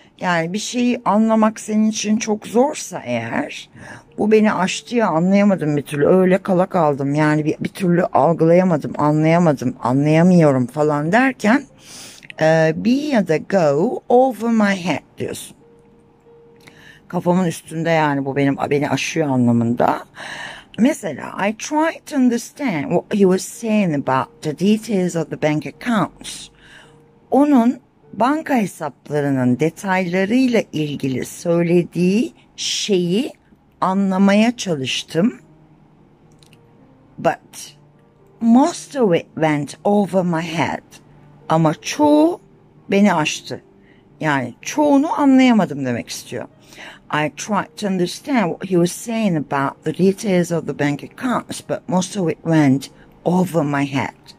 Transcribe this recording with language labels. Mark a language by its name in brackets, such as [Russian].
[Turkish] Yani bir şeyi anlamak senin için çok zorsa eğer, bu beni aştı ya, anlayamadım bir türlü, öyle kala kaldım. Yani bir türlü algılayamadım, anlayamadım, anlayamıyorum falan derken be ya da go over my head diyorsun. Kafamın üstünde, yani bu beni aşıyor anlamında. [English] Mesela I tried to understand what he was saying about the details of the bank accounts. [Turkish] Onun banka hesaplarının detaylarıyla ilgili söylediği şeyi anlamaya çalıştım. [English] But most of it went over my head. [Turkish] Ama çoğu beni aştı. Yani çoğunu anlayamadım demek istiyor. [English] I tried to understand what he was saying about the details of the bank accounts, but most of it went over my head.